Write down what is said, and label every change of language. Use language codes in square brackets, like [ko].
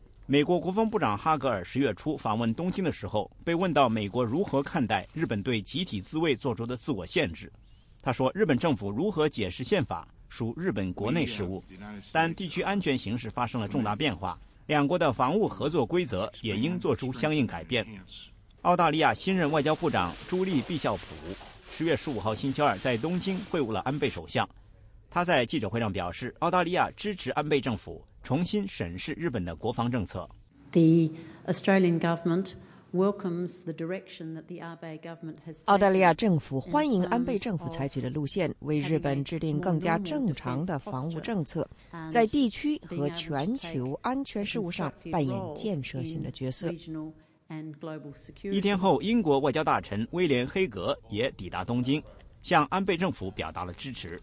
[zh] 美国国防部长哈格尔十月初访问东京的时候，被问到美国如何看待日本对集体自卫做出的自我限制，他说日本政府如何解释宪法属日本国内事务，但地区安全形势发生了重大变化，两国的防务合作规则也应做出相应改变。澳大利亚新任外交部长朱莉·毕肖普10月15号星期二在东京会晤了安倍首相，他在记者会上表示，澳大利亚支持安倍政府重新审视日本的国防政策。 [en] The Australian governmentWelcomes the direction that the Abe government has taken. [zh] 澳大利亚政府欢迎安倍政府采取的路线，为日本制定更加正常的防务政策，在地区和全球安全事务上扮演建设性的角色。一天后，英国外交大臣威廉·黑格也抵达东京，向安倍政府表达了支持。